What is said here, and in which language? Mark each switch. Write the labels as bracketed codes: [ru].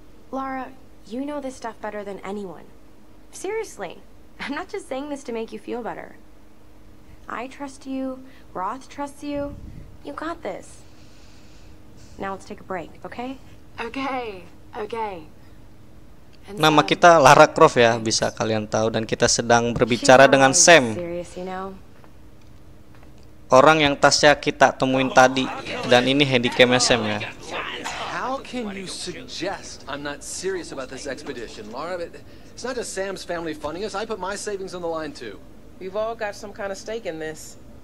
[en] Lara, you know this stuff better than anyone. Seriously, I'm not just saying this to make you feel better. I trust you. Roth trusts you. You got this. Now let's take a break, okay? Okay. [id] Nama kita Lara Croft ya, bisa kalian tahu, dan kita sedang berbicara dengan Sam, orang yang tasnya kita temuin tadi, dan ini handycamnya Sam ya. [en] How can you suggest I'm not serious about this expedition, Lara? It's not just Sam's family funding us. I put my savings on the line too. We've all got some kind of stake in this.